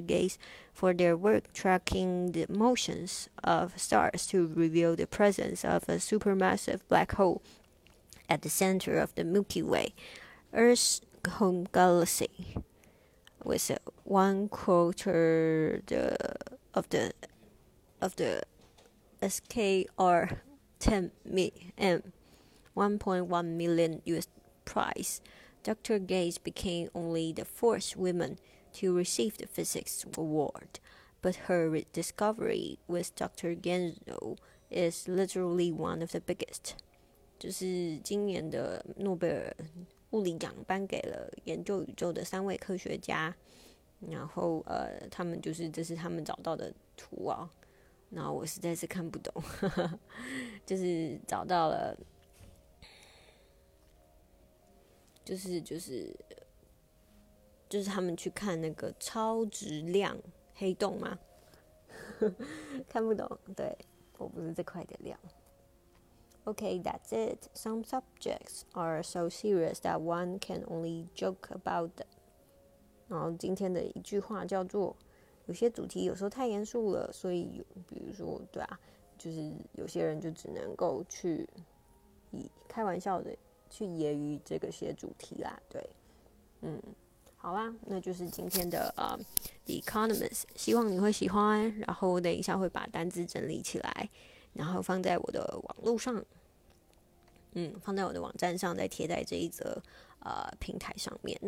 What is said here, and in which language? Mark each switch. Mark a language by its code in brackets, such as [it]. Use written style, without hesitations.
[en] Ghez for their work tracking the motions of stars to reveal the presence of a supermassive black hole at the center of the Milky Way, Earth's home galaxy, with one quarter of the SKR. $1.1 million US prize. Dr. Ghez became only the fourth woman to receive the physics award, but her discovery with Dr. Genzel is literally one of the biggest. [zh] 就是今年的诺贝尔物理奖颁给了研究宇宙的三位科学家，然后他们就是这是他们找到的图啊。然后我实在是看不懂，就是找到了，就是他们去看那个超质量黑洞吗？看不懂，对，我不是这块的料。 [en] Okay, that's it. Some subjects are so serious that one can only joke about them. [zh] 然后今天的一句话叫做。有些主题有时候太严肃了，所以比如说，对啊，就是有些人就只能够去以开玩笑的去揶揄这个些主题啦，对，好啦，那就是今天的The Economist， 希望你会喜欢，然后等一下会把单字整理起来，然后放在我的网络上，放在我的网站上，再贴在这一则平台上面。